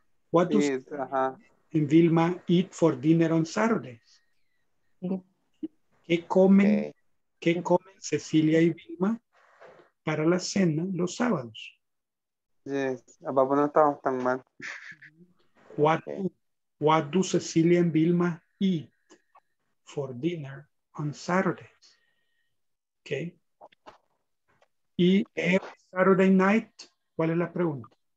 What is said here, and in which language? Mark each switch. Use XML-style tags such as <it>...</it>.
<en>What do and Vilma eat for dinner on Saturdays?</en> <es>Sí. ¿Qué comen? Okay. ¿Qué comen Cecilia y Vilma para la cena los sábados? Yes, papá, no estamos tan mal.</es> <en>What do Cecilia and Vilma eat for dinner on Saturdays? Okay.</en> <es>Y</es> <en>every Saturday night,</en> <es>¿cuál es la pregunta?</es>